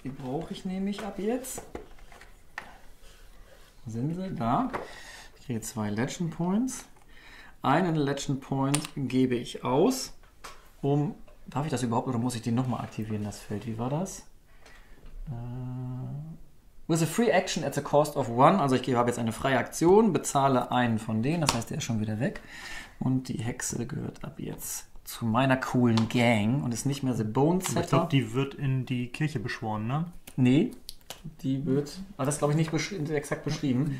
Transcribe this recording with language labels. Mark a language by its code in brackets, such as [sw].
[de] Die brauche ich nämlich ab jetzt. Sind sie da? Ich kriege 2 Legend Points. Einen Legend Point gebe ich aus. Darf ich das überhaupt oder muss ich den nochmal aktivieren, das Feld? Wie war das? [en] With a free action at the cost of one. [de] Also ich habe jetzt eine freie Aktion, bezahle einen von denen. Das heißt, der ist schon wieder weg. Und die Hexe gehört ab jetzt zu meiner coolen Gang und ist nicht mehr the Bone Setter. Ich glaube, die wird in die Kirche beschworen, ne? Nee, die wird... Aber das ist, glaube ich, nicht exakt beschrieben.